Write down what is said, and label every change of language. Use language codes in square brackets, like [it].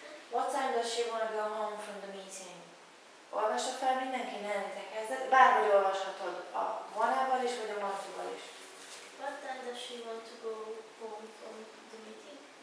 [en] What time does she wanna go home from the meeting? [hu] Olvasod fel mindenki, ne te kezded, bárhogy olvashatod a wanna-val is, vagy a want to-val is. [en] What time does she want to go home from the meeting?